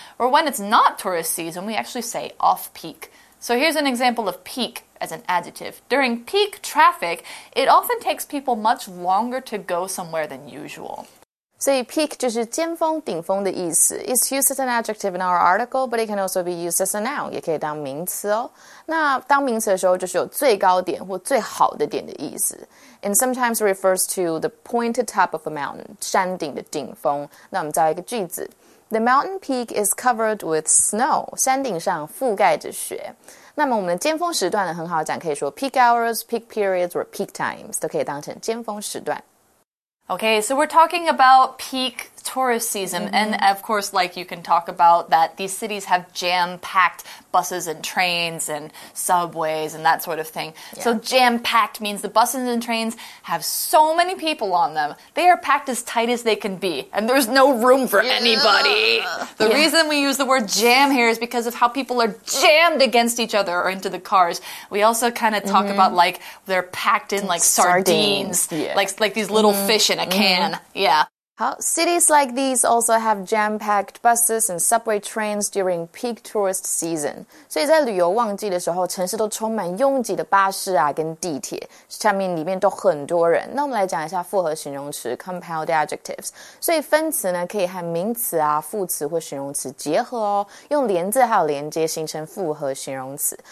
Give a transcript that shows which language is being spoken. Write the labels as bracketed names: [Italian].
[English] Or when it's not tourist season, we actually say off-peak. So here's an example of peak as an adjective. During peak traffic, it often takes people much longer to go somewhere than usual. [Chinese] So peak 就是尖峰、顶峰的意思。 [English] It's used as an adjective in our article, but it can also be used as a noun, [Chinese] 也可以当名词哦。那当名词的时候就是有最高点或最好的点的意思。 [English] And sometimes it refers to the pointed top of a mountain, [Chinese] 山顶的顶峰。那我们造一个句子。 [English] The mountain peak is covered with snow, [Chinese] 山顶上覆盖着雪。那么我们的尖峰时段呢很好讲可以说 [English] peak hours, peak periods, or peak times, [Chinese] 都可以当成尖峰时段。 [English] Okay, so we're talking about peak tourist season, and of course, like you can talk about that these cities have jam-packed buses and trains and subways and that sort of thing. Yeah. So jam-packed means the buses and trains have so many people on them. They are packed as tight as they can be, and there's no room for anybody. The reason we use the word jam here is because of how people are jammed against each other or into the cars. We also kind of talk about like they're packed in like sardines. Yeah. Like these little fish in a can. Yeah. How? Cities like these also have jam-packed buses and subway trains during peak tourist season. [Chinese] 所以在旅游旺季的时候，城市都充满拥挤的巴士啊，跟地铁，下面里面都很多人。那我们来讲一下复合形容词 compound adjectives. 所以分词呢，可以和名词啊、副词或形容词结合哦，用连字还有连接形成复合形容词。